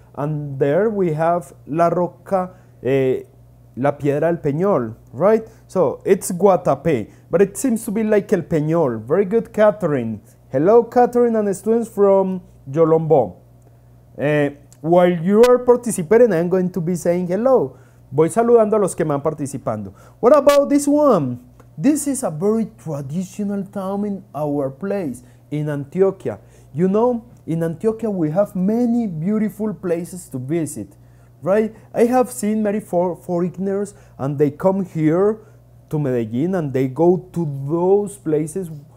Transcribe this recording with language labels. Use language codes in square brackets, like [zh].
[en] And there we have La Roca, La Piedra del Peñol, right? So it's Guatapé, but it seems to be like El Peñol. Very good, Catherine. Hello, Catherine and students from Yolombó. While you are participating, I'm going to be saying hello. [es] Voy saludando a los que me han participando. [en] What about this one? This is a very traditional town in our place, in Antioquia. You know, in Antioquia, we have many beautiful places to visit, right? I have seen many foreigners, and they come here to Medellin, and they go to those places.